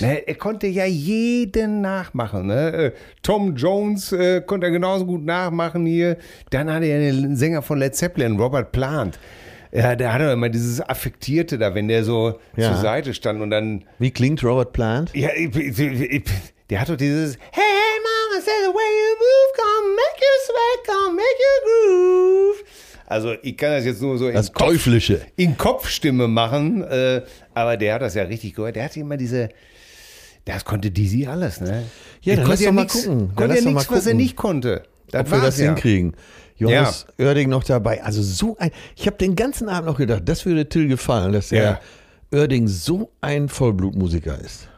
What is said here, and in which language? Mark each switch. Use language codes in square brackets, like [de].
[de] Er konnte ja jeden nachmachen. Ne? Tom Jones konnte er genauso gut nachmachen hier. Dann hatte er den Sänger von Led Zeppelin, Robert Plant. Ja, der hatte immer dieses Affektierte da, wenn der so ja zur Seite stand und dann... Wie klingt Robert Plant? Ja, der hat doch dieses... [en] Hey, hey, Mama, say the way you move, come make you sweat, come make you groove. [de] Also, ich kann das jetzt nur so das in, Teuflische. Kopf, in Kopfstimme machen, aber der hat das ja richtig gehört. Der hatte immer diese... Das konnte Dizzy alles, ne? Ja, dann lass doch mal gucken. Konnte ja nichts, was er nicht konnte. Das ob wir das ja hinkriegen. Johannes ja Oerding noch dabei. Also so ein, ich habe den ganzen Abend noch gedacht, das würde Till gefallen, dass ja er Oerding so ein Vollblutmusiker ist.